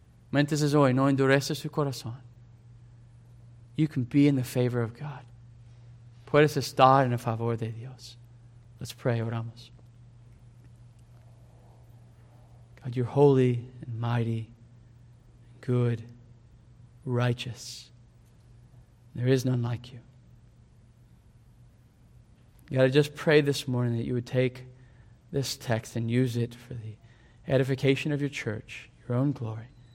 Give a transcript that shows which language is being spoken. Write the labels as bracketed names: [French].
[Spanish] Mientras es hoy, no endureces tu corazón. [English] You can be in the favor of God. [Spanish] Puedes estar en el favor de Dios. [English] Let's pray, [Spanish] oramos. [English] God, you're holy and mighty, good, righteous. There is none like you. God, I just pray this morning that you would take this text and use it for the edification of your church, your own glory.